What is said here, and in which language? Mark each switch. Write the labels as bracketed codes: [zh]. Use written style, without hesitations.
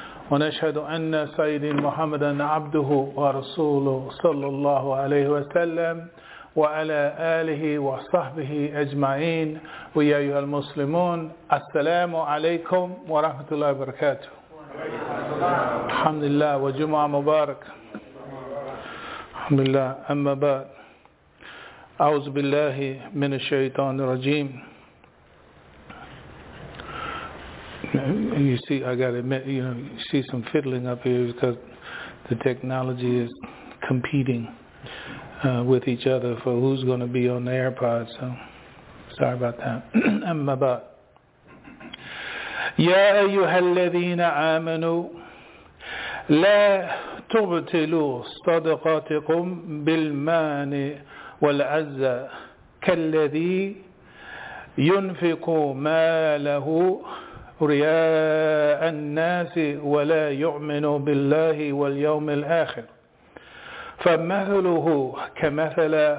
[ar] ونشهد أن سيدنا محمدا عبده ورسوله صلى الله عليه وسلم وعلى آله وصحبه أجمعين ويا أيها المسلمون السلام عليكم ورحمة الله وبركاته الحمد لله وجمعة مبارك الحمد لله أما بعد أعوذ بالله من الشيطان الرجيم. [en] You see, I gotta admit, you know, you see some fiddling up here because the technology is competing with each other for who's going to be on the AirPods. So, sorry about that. [ar] أما بعد. يا أيها الذين آمنوا لا تبطلوا صدقاتكم بالمن والعزى كالذي ينفق ماله رئاء الناس ولا يؤمن بالله واليوم الآخر فمثله كمثل